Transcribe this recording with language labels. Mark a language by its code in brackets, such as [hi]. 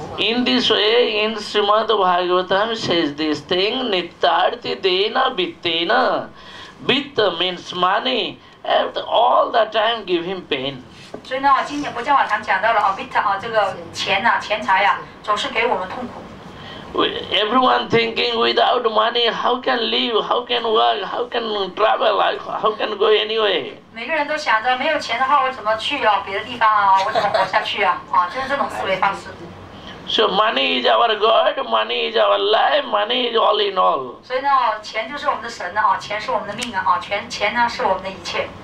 [en] In this way, in Srimad Bhagavatam says this thing, nittarthi dena bittena. Bitta means money, and all the time give him pain. [zh] 所以今天博伽瓦譚讲到了，这个钱财总是给我们痛苦。 [en] Everyone thinking without money, how can live, how can work, how can travel, how can go anyway? [zh] 每个人都想着没有钱的话，我怎么去别的地方，我怎么活下去，就是这种思维方式。 [en] So money is our God, money is our life, money is all in all. [zh] 所以钱就是我们的神，钱是我们的命，钱是我们的一切。